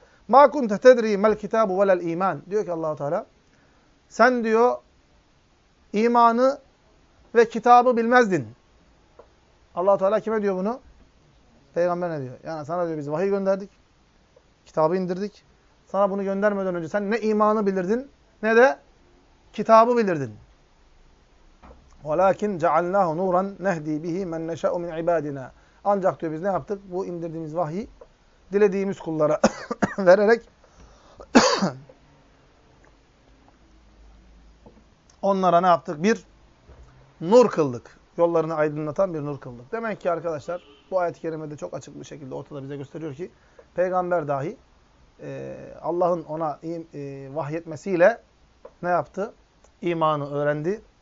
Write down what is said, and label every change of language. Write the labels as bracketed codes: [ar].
[ar] مَا كُنْتَ تَدْرِي مَا الْكِتَابُ وَلَا الْا۪يمَانِ [tr] Diyor ki Allah-u Teala, sen diyor imanı ve kitabı bilmezdin. Allah-u Teala kime diyor bunu? Peygamberine diyor. Yani sana diyor biz vahiy gönderdik, kitabı indirdik. Sana bunu göndermeden önce sen ne imanı bilirdin ne de kitabı bilirdin. [ar] وَلَاكِنْ جَعَلْنَاهُ نُورًا نَهْد۪ي بِه۪ مَنْ نَشَأُ مِنْ عِبَادِنَا [tr] Ancak diyor biz ne yaptık? Bu indirdiğimiz vahyi dilediğimiz kullara vererek onlara ne yaptık? Bir nur kıldık. Yollarını aydınlatan bir nur kıldık. Demek ki arkadaşlar bu ayet-i kerimede çok açık bir şekilde ortada bize gösteriyor ki peygamber dahi Allah'ın ona vahyetmesiyle ne yaptı? İmanı öğrendi.